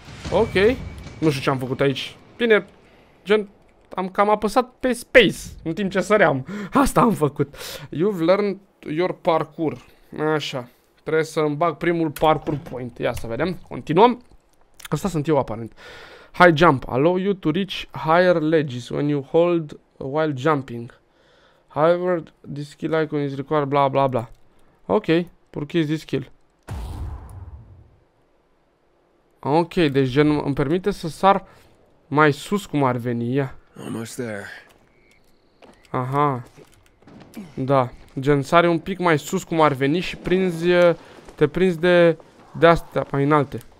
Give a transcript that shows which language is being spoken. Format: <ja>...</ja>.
<ro>Ok. Nu știu ce am făcut aici. Bine. Gen... Am cam apăsat pe space. În timp ce săream. Asta am făcut.</ro> <en>You've learned your parkour. Așa.</en> <ro>Trebuie să-mi bag primul parkour point. Ia să vedem. Continuăm. Asta sunt eu aparent. High jump.</ro> <en>Allow you to reach higher ledges when you hold while jumping. However, this skill icon is required, bla bla bla. Ok, purchase this skill.</en> <ro>Ok, deci gen îmi permite să sar mai sus cum ar veni, ia.</ro> <en>Almost there. Aha.</en> <ro>Da, gen sari un pic mai sus cum ar veni și prinzi, te prinzi de, de astea mai înalte.</ro>